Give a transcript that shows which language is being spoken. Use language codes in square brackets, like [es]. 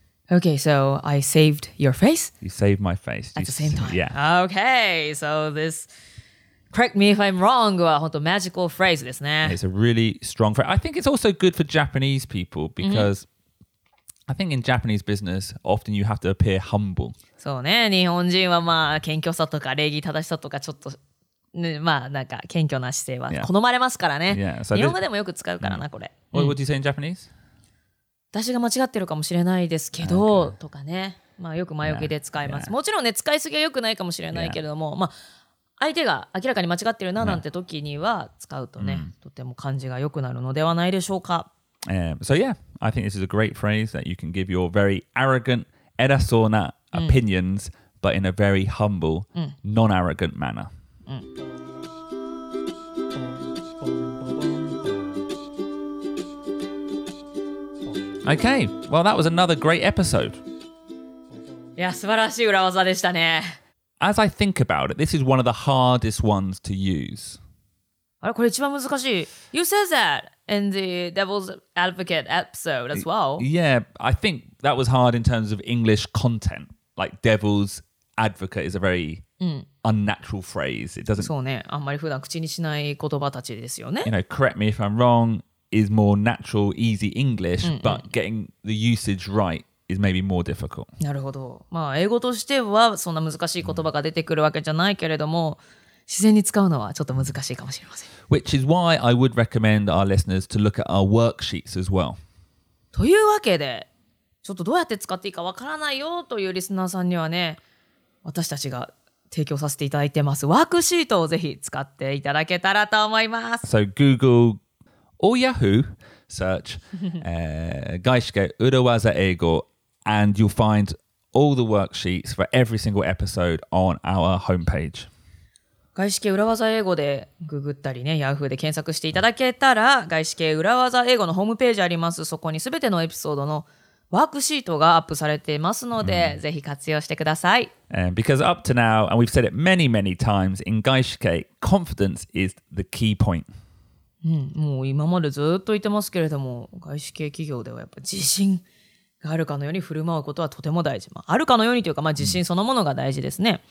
[en] Okay, so I saved your face? You saved my face. At the same time? Yeah. Okay, so this... Correct me if I'm wrong, [ja] は本当 [en] magical phrase [ja] ですね。 [en] It's a really strong phrase. I think it's also good for Japanese people because、I think in Japanese business, often you have to appear humble. [ja] そうね、日本人はまあ謙虚さとか礼儀正しさとかちょっと、ね、まあなんか謙虚な姿勢は好まれますからね。 [en] Yeah. Yeah. So、 [ja] 日本語でもよく使うからな、これ。 [en] What would you say in Japanese? [ja] 私が間違ってるかもしれないですけど、とかね。まあよく前置きで使います。 Yeah. もちろんね、使いすぎは良くないかもしれないけれども、まあ相手が明らかに間違ってるななんて時には使うとね、とても感じが良くなるのではないでしょうか。 [en] So yeah, I think this is a great phrase that you can give your very arrogant, 偉そうな opinions, but in a very humble, non-arrogant manner. Okay, well that was another great episode. [ja] いや、素晴らしい裏技でしたね。 [en] As I think about it, this is one of the hardest ones to use. [ja] これ一番難しい。 [en] You said that in the Devil's Advocate episode as well. Yeah, I think that was hard in terms of English content. Like Devil's Advocate is a very unnatural phrase. It doesn't... [ja] そうね。あんまり普段口にしない言葉たちですよね。 [en] You know, correct me if I'm wrong, is more natural, easy English, but getting the usage right. Is maybe more difficult. [ja] なるほど。まあ英語としてはそんな難しい言葉が出てくるわけじゃないけれども、自然に使うのはちょっと難しいかもしれません。 [en] Which is why I would recommend our listeners to look at our worksheets as well. [ja] というわけで、ちょっとどうやって使っていいかわからないよというリスナーさんにはね、私たちが提供させていただいてますワークシートをぜひ使っていただけたらと思います。 [en] So Google or Yahoo. Search, Gaishike Urowaza Eigo, and you'll find all the worksheets for every single episode on our homepage. [ja] Gaishike Urowaza Eigo で googled ね、Yahoo で検索していただけたら、Gaishike Urowaza Eigo のホームページあります。そこにすべてのエピソードのワークシートがアップされていますので、ぜひ活用してください。 [en] Because up to now, and we've said it many, many times, in Gaishike, confidence is the key point. [ja] もう今までずっと言ってますけれども、外資系企業ではやっぱ自信があるかのように振る舞うことはとても大事。まあ、あるかのようにというか、まあ、自信そのものが大事ですね。